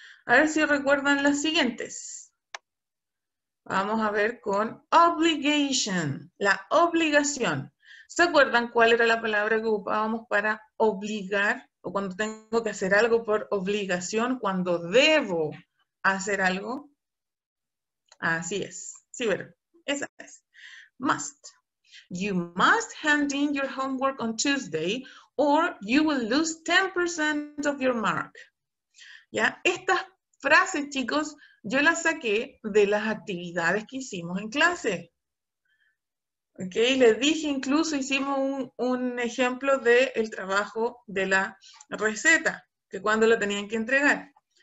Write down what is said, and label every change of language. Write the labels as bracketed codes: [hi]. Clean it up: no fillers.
[es] A ver si recuerdan las siguientes. Vamos a ver con obligation, la obligación. ¿Se acuerdan cuál era la palabra que ocupábamos para obligar? O cuando tengo que hacer algo por obligación, cuando debo hacer algo. Así es. Sí, pero esa es. Must. [en] You must hand in your homework on Tuesday or you will lose 10% of your mark. ¿Ya? [es] Estas frases, chicos, yo las saqué de las actividades que hicimos en clase. ¿Ok? Les dije, incluso hicimos un ejemplo del trabajo de la receta, que cuando lo tenían que entregar.